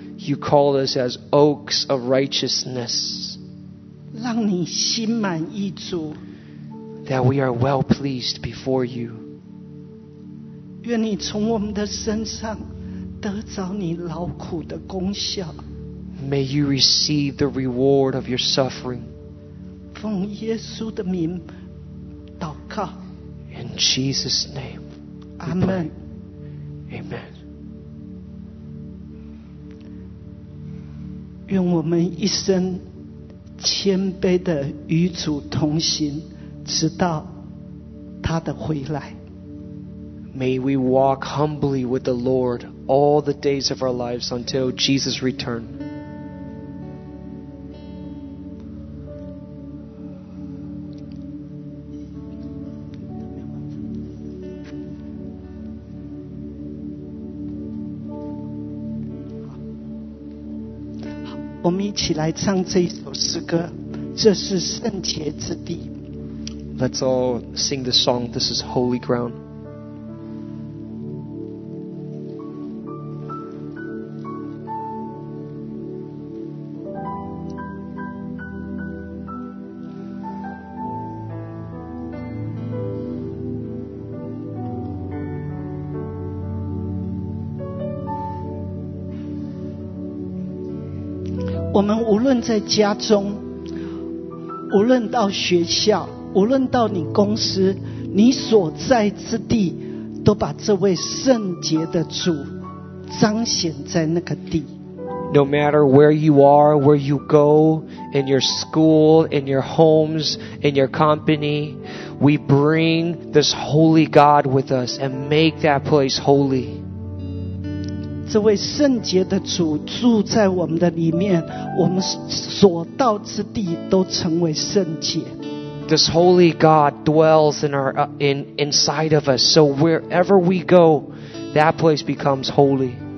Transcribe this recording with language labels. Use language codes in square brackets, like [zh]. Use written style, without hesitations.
[en] You call us as oaks of righteousness. [zh] 让你心满意足。 [en] That we are well pleased before you. [zh] 愿你从我们的身上得着你劳苦的功效。 [en] May you receive the reward of your suffering. [zh] 奉耶稣的名祷告。 [en] In Jesus' name. Amen. Amen. [zh] 愿我们一生谦卑的与主同行，直到他的回来。 [en] May we walk humbly with the Lord all the days of our lives until Jesus return. [zh] 我们一起来唱这一首诗歌，这是圣洁之地。 [en] Let's all sing the song, This is Holy Ground. [zh] 我们无论在家中，无论到学校，无论到你公司，你所在之地，都把这位圣洁的主彰显在那个地。 [en] No matter where you are, where you go, in your school, in your homes, in your company, we bring this holy God with us and make that place holy. [zh] 这位圣洁的主住在我们的里面，我们所到之地都成为圣洁。 [en] This holy God dwells in our inside of us, so wherever we go, that place becomes holy.